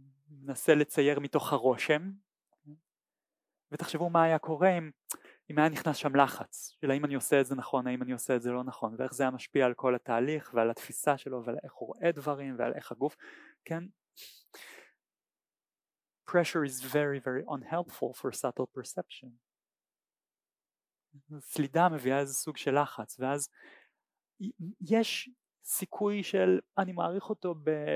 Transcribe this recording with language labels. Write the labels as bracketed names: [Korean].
[Hebrew] מנסה לצייר מתוך הרושם, ותחשבו מה היה קורה אם היה נכנס שם לחץ, אלא אם אני עושה את זה נכון, האם אני עושה את זה לא נכון, ואיך זה היה משפיע על כל התהליך, ועל התפיסה שלו, ועל איך הוא רואה דברים, ועל איך הגוף, כן? [English] Pressure is very very unhelpful for subtle perception. [Hebrew] סלידה מביאה איזה סוג של לחץ, ואז יש סיכוי של, אני מעריך אותו ב...